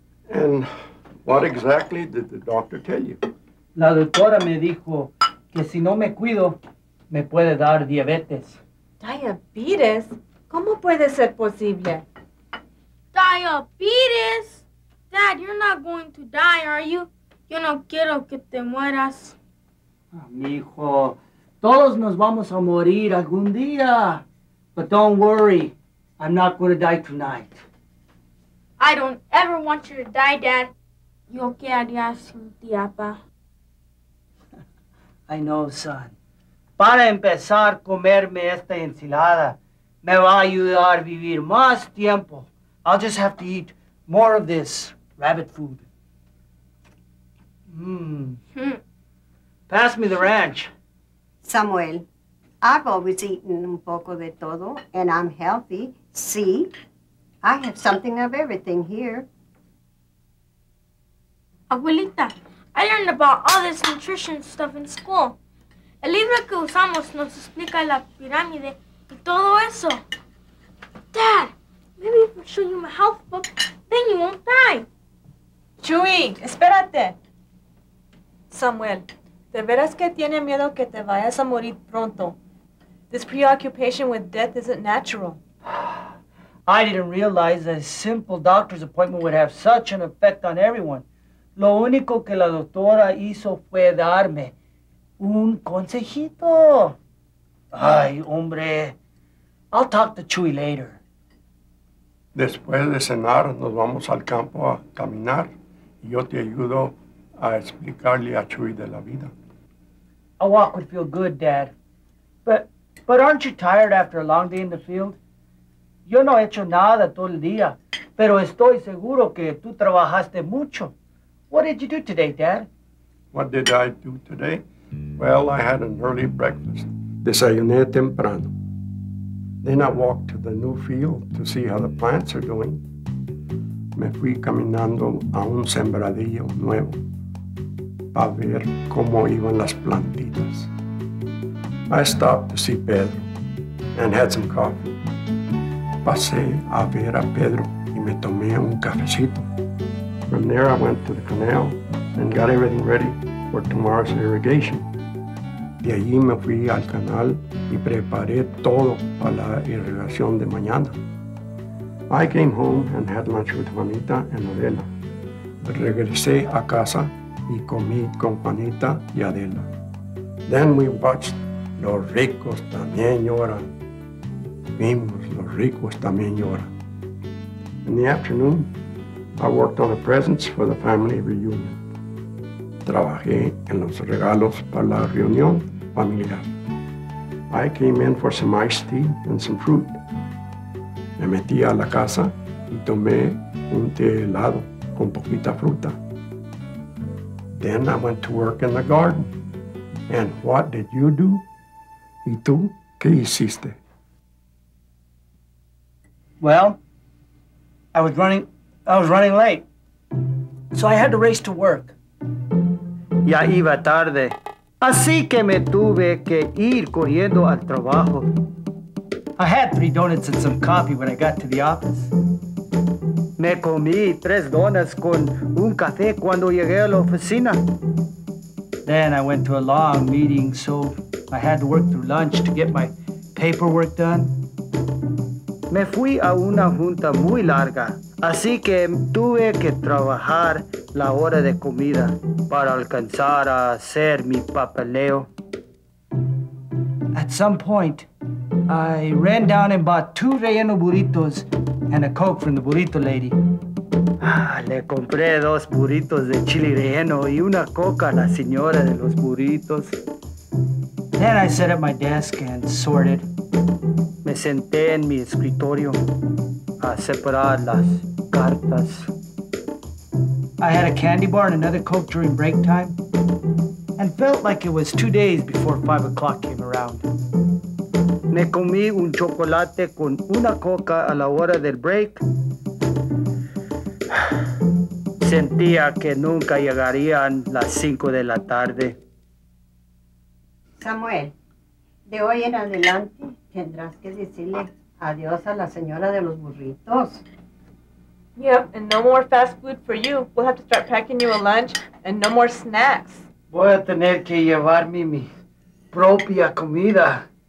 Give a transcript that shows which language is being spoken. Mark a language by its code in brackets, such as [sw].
[en] And what exactly did the doctor tell you? [es] La doctora me dijo que si no me cuido, me puede dar diabetes. ¿Diabetes? ¿Cómo puede ser posible? ¿Diabetes? [en] Dad, you're not going to die, are you? [es] Yo no quiero que te mueras. Mijo, todos nos vamos a morir algún día. [en] But don't worry, I'm not going to die tonight. I don't ever want you to die, Dad. [es] Yo qué haría sin ti, apa. [en] I know, son. [es] Para empezar, comerme esta ensalada me va a ayudar a vivir más tiempo. [en] I'll just have to eat more of this rabbit food. Pass me the ranch. Samuel, I've always eaten [es] un poco de todo, [en] and I'm healthy. See, I have something of everything here. Abuelita, I learned about all this nutrition stuff in school. [es] El libro que usamos nos explica la pirámide y todo eso. [en] Dad, maybe if I show you my health book, then you won't die. [es] Chuy, espérate. Samuel, de veras que tiene miedo que te vayas a morir pronto. [en] This preoccupation with death isn't natural. I didn't realize that a simple doctor's appointment would have such an effect on everyone. [es] Lo único que la doctora hizo fue darme un consejito. Ay, hombre. [en] I'll talk to Chuy later. [es] Después de cenar, nos vamos al campo a caminar. Y yo te ayudo a explicarle a Chuy de la vida. [en] A walk would feel good, Dad. But aren't you tired after a long day in the field? [es] Yo no he hecho nada todo el día. Pero estoy seguro que tú trabajaste mucho. [en] What did you do today, Dad? What did I do today? Well, I had an early breakfast. [es] Desayuné temprano. [en] Then I walked to the new field to see how the plants are doing. [es] Me fui caminando a un sembradillo nuevo para ver cómo iban las plantitas. [en] I stopped to see Pedro and had some coffee. [es] Pasé a ver a Pedro y me tomé un cafecito. [en] From there, I went to the canal and got everything ready for tomorrow's irrigation. [es] De allí me fui al canal y preparé todo para la irrigación de mañana. [en] I came home and had lunch with Juanita and Adela. [es] Regresé a casa y comí con Juanita y Adela. [en] Then we watched Los Ricos También Lloran. [es] Vimos Los Ricos También Lloran. [en] In the afternoon, I worked on the presents for the family reunion. [es] Trabajé en los regalos para la reunión familiar. [en] I came in for some iced tea and some fruit. [es] Me metí a la casa y tomé un té helado con poquita fruta. [en] Then I went to work in the garden. And what did you do? [es] ¿Y tú qué hiciste? [en] Well, I was running late. So I had to race to work. [es] Ya iba tarde. Así que me tuve que ir corriendo al trabajo. [en] I had 3 donuts and some coffee when I got to the office. [es] Me comí 3 donuts con un café cuando llegué a la oficina. [en] Then I went to a long meeting, so I had to work through lunch to get my paperwork done. [es] Me fui a una junta muy larga, así que tuve que trabajar la hora de comida para alcanzar a hacer mi papeleo. [en] At some point, I ran down and bought 2 relleno burritos and a Coke from the burrito lady. [es] Le compré 2 burritos de chile relleno y una coca a la señora de los burritos. [en] Then I sat at my desk and sorted. [es] Me senté en mi escritorio a separar las cartas. [en] I had a candy bar and another Coke during break time and felt like it was 2 days before 5 o'clock came around. [es] Me comí un chocolate con una coca a la hora del break. Sentía que nunca llegarían las 5 de la tarde. Samuel, de hoy en adelante tendrás que decirle adiós a la señora de los burritos. [en] Yep, and no more fast food for you. We'll have to start packing you a lunch and no more snacks. [es] Voy a tener que llevarme mi propia comida.